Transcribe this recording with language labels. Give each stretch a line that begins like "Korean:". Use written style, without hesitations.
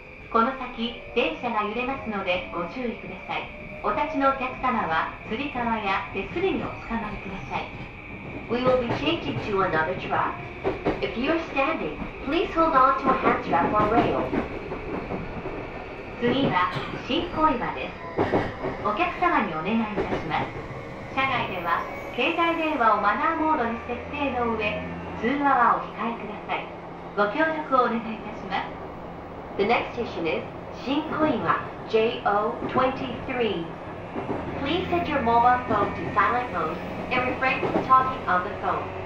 Japanese: この先電車が揺れますのでご注意ください。お立ちのお客様はつり革や手すりにおつかまりください。
English: We will be changing to another track. If you are standing, please hold on to a hand trap or rail.
Japanese: 次は新小岩です。お客様にお願いいたします。車内では携帯電話をマナーモードに設定の上、通話はお控えください。ご協力をお願いいたします。
English: The next station is 新小岩 JO23. Please set your mobile phone to silent mode and refrain from talking on the phone.